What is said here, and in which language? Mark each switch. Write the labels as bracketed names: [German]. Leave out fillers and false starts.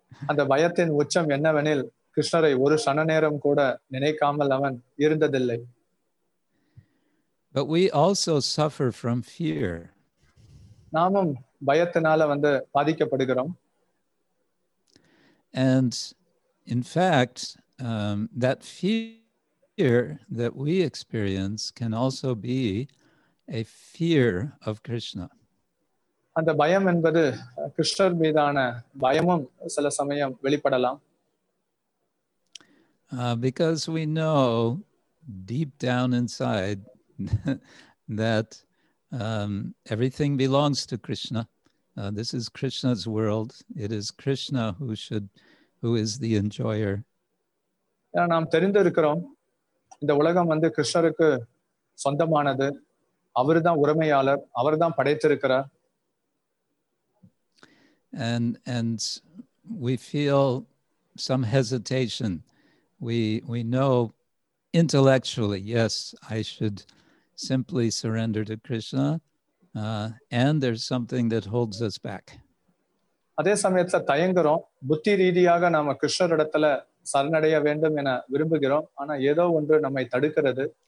[Tamil] அந்த பயத்தின் உச்சம் என்னவெனில் கிருஷ்ணரை ஒரு சன நேரம் கூட நினைக்காமல் அவன் இருந்ததில்லை. [English] But we also suffer from fear. [Tamil] நாமும் பயத்தினால வந்து பாதிக்கப்படுகிறோம். [English] And in fact, that fear that we experience can also be a fear of Krishna. [Tamil] அந்த பயம் என்பது கிருஷ்ணர் மீதான பயமும் சில சமயம் வெளிப்படலாம். [English] Because we know deep down inside that everything belongs to Krishna. This is Krishna's world. It is Krishna who is the enjoyer. [Tamil] நாம் தெரிந்திருக்கிறோம் இந்த உலகம் வந்து கிருஷ்ணருக்கு சொந்தமானது அவர்தான் உரிமையாளர் அவர்தான் படைத்திருக்கிறார். [English] And we feel some hesitation. We know intellectually, yes, I should simply surrender to Krishna. And there's something that holds us back. [Tamil] அதே சமயத்துல தயங்குறோம் புத்தி ரீதியாக நாம கிருஷ்ணர் இடத்துல சரணடைய வேண்டும் என விரும்புகிறோம் ஆனா ஏதோ ஒன்று நம்மை தடுக்கிறது